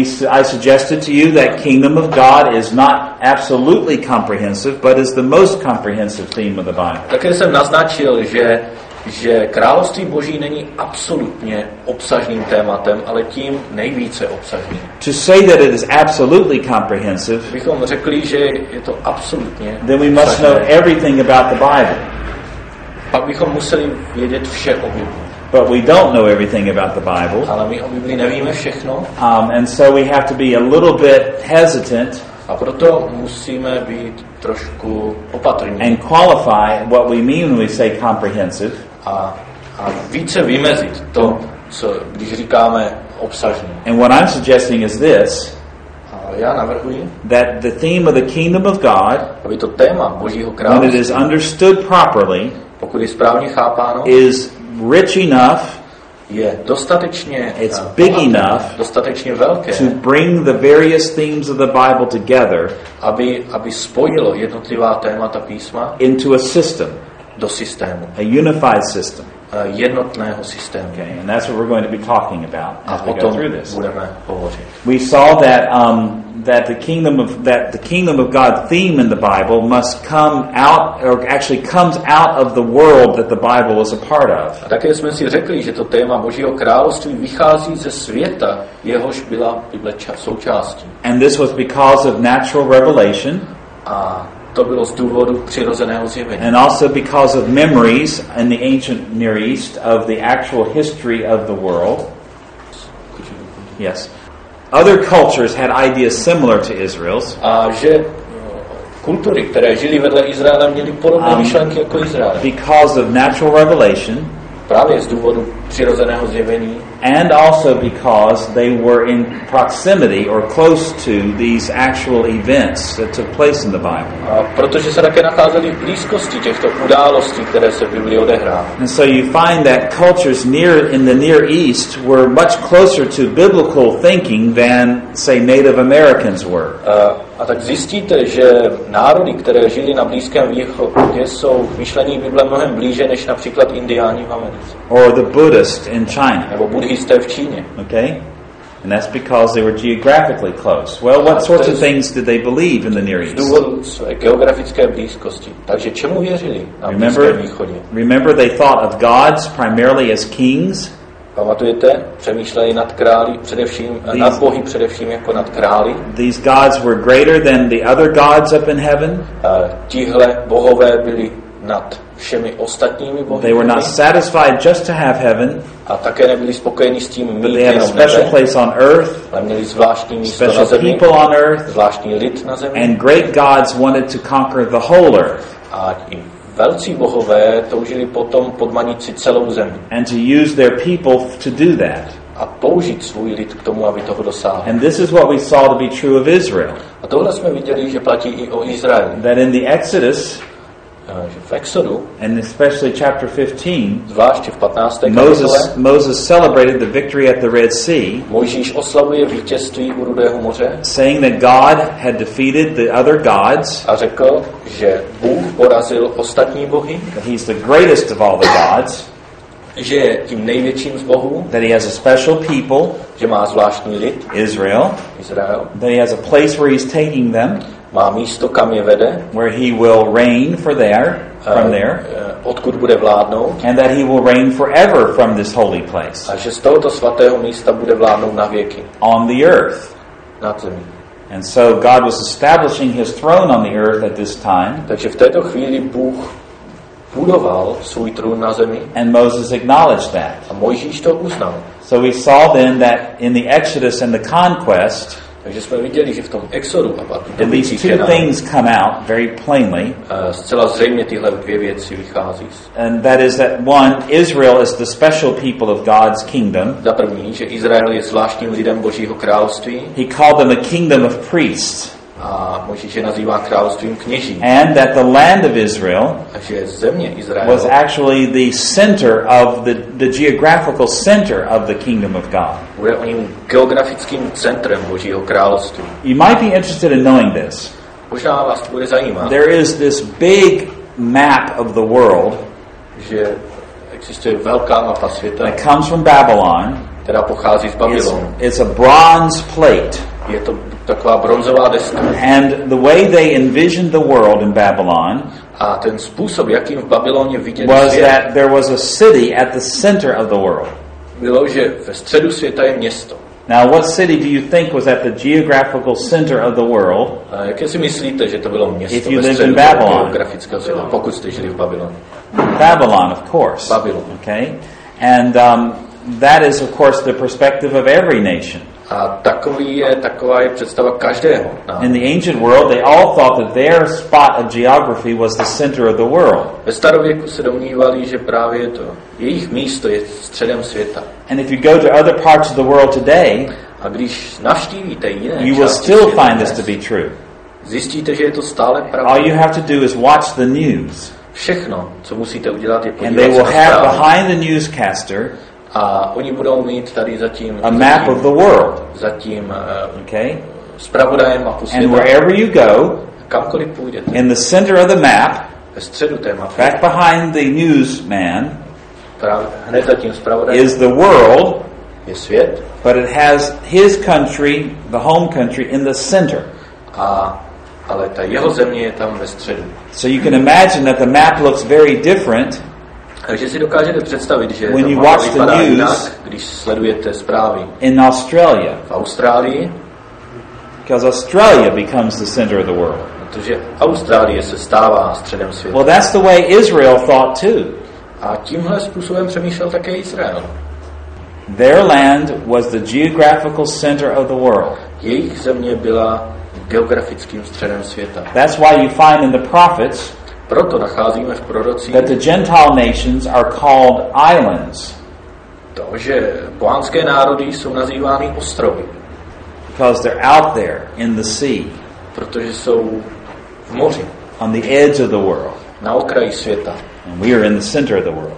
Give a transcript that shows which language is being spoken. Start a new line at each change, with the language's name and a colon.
English: I suggested to you that kingdom of God is not absolutely comprehensive, but is the most comprehensive theme of the Bible.
Czech: Také jsem naznačil, že království Boží není absolutně obsažným tématem, ale tím nejvíce obsažným.
English: To say that it is absolutely comprehensive,
Czech: bychom řekli, že je to absolutně obsažné.
English: Then we must know everything about the Bible.
Czech: Pak bychom museli vědět vše o Biblii.
English: But we don't know everything about the Bible.
Czech: Ale my o Biblii nevíme všechno.
English: And so we have to be a little bit hesitant.
Czech: A proto musíme být trošku opatrní.
English: And qualify what we mean when we say comprehensive.
Czech: A více vymezit to, co když říkáme obsažně.
English: And what I'm suggesting is this.
Czech: Já navrhuji,
English: that the theme of the kingdom of God,
Czech: aby to téma Božího království,
English: when it is understood properly,
Czech: pokud je správně chápáno,
English: is rich enough,
Czech: je dostatečně,
English: it's big enough,
Czech: dostatečně velké,
English: to bring the various themes of the Bible together,
Czech: aby spojilo jednotlivá témata písma,
English: into a system,
Czech: do systému,
English: a unified system,
Czech: jednotného systému.
English: Okay, and that's what we're going to be talking about as we go through this.
Czech: Budeme hovořit.
English: We saw that that the kingdom of God theme in the Bible must come out, or actually comes out of the world that the Bible is a part of.
Czech: A také jsme si řekli, že to téma Božího království vychází ze světa, jehož byla Bible součástí.
English: And this was because of natural revelation.
Czech: A To bylo z důvodu přirozeného zjevení.
English: And also because of memories in the ancient Near East of the actual history of the world. Yes. Other cultures had ideas similar to Israel's.
Czech: A že kultury, které žili vedle Izraela, měly podobné myšlenky jako Izrael.
English: Because of natural revelation.
Czech: Právě z důvodu přirozeného zjevení.
English: And also because they were in proximity or close to these actual events that took place in the Bible.
Czech: A protože se také nacházeli v blízkosti těchto událostí, které se v Biblii odehrály.
English: And so you find that cultures near in the Near East were much closer to biblical thinking than, say, Native Americans were.
Czech: A tak zjistíte, že národy, které žili na Blízkém východě, jsou v myšlení Bible mnohem blíže než například Indiáni v Americe.
English: Or the Buddhist in China.
Czech: Buddhisté v Číně.
English: Okay, and that's because they were geographically close. Well, what sorts of things did they believe in the Near East?
Czech: Z důvodu své geografické blízkosti. Takže čemu věřili na Blízkém východě?
English: Remember, they thought of gods primarily as kings.
Czech: Pamatujete, přemýšleli nad králi především, nad bohy především jako nad králi.
English: These gods were greater than the other gods up in heaven.
Czech: Tihle bohové byli nad všemi ostatními bohy.
English: They were not satisfied just to have heaven.
Czech: A také nebyli spokojeni s tím mít jenom nebe.
English: Special place on earth.
Czech: Ale měli zvláštní místo na zemi.
English: People on earth.
Czech: Zvláštní lid na zemi.
English: And great gods wanted to conquer the whole earth.
Czech: A i velcí bohové toužili potom podmanit si celou zemi.
English: And to use their people to do that.
Czech: A použít svůj lid k tomu, aby toho dosáhl.
English: And this is what we saw to be true of Israel.
Czech: A tohle jsme viděli, že platí i o Izraeli.
English: That in the Exodus,
Czech: v Exodu,
English: and especially chapter 15,
Czech: zvláště v 15. kapitole,
English: Moses celebrated the victory at the Red Sea.
Czech: Mojžíš oslavuje vítězství u Rudého moře,
English: saying that God had defeated the other gods.
Czech: A řekl, že Bůh porazil ostatní bohy.
English: That he's the greatest of all the gods.
Czech: Že je tím největším z bohů.
English: That he has a special people.
Czech: Že má zvláštní lid.
English: Israel. That he has a place where he's taking them.
Czech: Má místo, kam je vede,
English: where he will reign for there, from there,
Czech: odkud bude vládnout,
English: and that he will reign forever from this holy place,
Czech: a že z tohoto svatého místa bude vládnout na věky,
English: on the earth,
Czech: na zemi.
English: And so God was establishing his throne on the earth at this time,
Czech: takže v této chvíli Bůh budoval svůj trůn na zemi,
English: and Moses acknowledged that,
Czech: a Mojžíš to uznal.
English: So we saw then that in the Exodus and the conquest,
Czech: takže jsme viděli, že v tom Exodu a
English: at least two things come out very plainly.
Czech: Zcela zřejmě tyhle dvě věci vychází.
English: And that is that one, Israel is the special people of God's kingdom.
Czech: Za první, že Izrael je zvláštním lidem Božího království.
English: He called them a kingdom of priests.
Czech: A Mojžíš je nazývá královstvím kněží.
English: And that the land of Israel,
Czech: a že země Izrael,
English: was actually the center of the geographical center of the kingdom of God.
Czech: Bude oním geografickým centrem Božího království.
English: You might be interested in knowing this.
Czech: Možná vás to bude zajímat.
English: There is this big map of the world,
Czech: že existuje velká mapa světa.
English: It comes from Babylon.
Czech: Teda pochází z Babylonu.
English: It's a bronze plate.
Czech: Je to taková bronzová deska.
English: And the way they envisioned the world in Babylon,
Czech: a ten způsob, jakým v Babyloně viděli
English: was
Czech: svět,
English: that there was a city at the center of the world.
Czech: Bylo, že ve středu světa je město.
English: Now, what city do you think was at the geographical center of the world?
Czech: A jaké si myslíte, že to bylo město?
English: If you lived in Babylon,
Czech: geografického světa, pokud jste žili v Babyloně.
English: Babylon, of course.
Czech: Babylon.
English: Okay, and that is, of course, the perspective of every nation.
Czech: A taková je představa každého.
English: No. In the ancient world, they all thought that their spot of geography was the center of the world.
Czech: Ve starověku se domnívali, že právě to jejich místo je středem světa.
English: And if you go to other parts of the world today,
Czech: a když navštívíte jiné,
English: you will still find this to be true.
Czech: Zjistíte, že je to stále pravda.
English: All you have to do is watch the news.
Czech: Všechno, co musíte udělat, je podívat se.
English: And they will have behind the newscaster.
Czech: A oni budou mít tady zatím
English: a map of the world.
Czech: Zatím,
English: okay.
Czech: Zpravodajem mapu světa.
English: And wherever you go,
Czech: kamkoliv půjdete,
English: in the center of the map,
Czech: ve středu té mapy,
English: back behind the newsman,
Czech: hned zatím zpravodajem,
English: is the world,
Czech: je svět,
English: but it has his country, the home country, in the center.
Czech: Ale ta jeho země je tam ve středu.
English: So you can imagine that the map looks very different.
Czech: Takže si dokážete představit, že
English: when you watch the news,
Czech: jinak, když sledujete zprávy
English: in Australia,
Czech: v Austrálii,
English: because Australia becomes the center of the world.
Czech: protože Austrálie se stává středem světa.
English: Well, that's the way Israel thought too.
Czech: A tímhle způsobem přemýšlel také Izrael.
English: Their land was the geographical center of the world.
Czech: Jejich země byla geografickým středem světa.
English: That's why you find in the prophets.
Czech: Proto nacházíme v prorocích.
English: That the Gentile nations are called islands.
Czech: To, že pohanské národy jsou nazývány ostrovy.
English: Because they're out there in the sea.
Czech: Protože jsou v moři.
English: On the edge of the world.
Czech: Na okraji světa.
English: And we are in the center of the world.